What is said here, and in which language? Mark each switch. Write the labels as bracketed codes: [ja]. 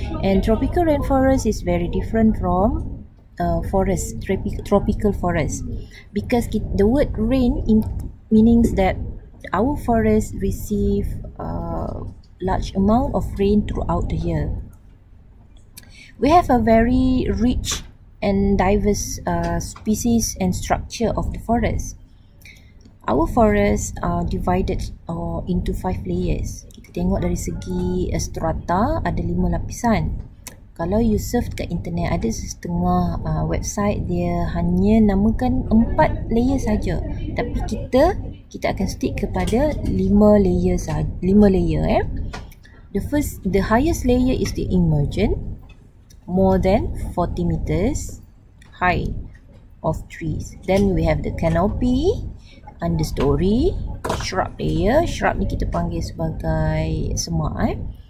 [en] And tropical rainforest is very different from tropical forest, because the word rain meaning that our forest receive large amount of rain throughout the year. We have a very rich and diverse species and structure of the forest. Our forests are divided into 5 layers. [ms] Kita tengok dari segi strata ada 5 lapisan. Kalau you surf kat internet, ada setengah website dia hanya namakan 4 layer saja. Tapi kita akan stick kepada 5 layer saja. [en] 5 layer The highest layer is the emergent, more than 40 meters high of trees. Then we have the canopy, understory, shrub layer. [ms] Shrub ni kita panggil sebagai semak.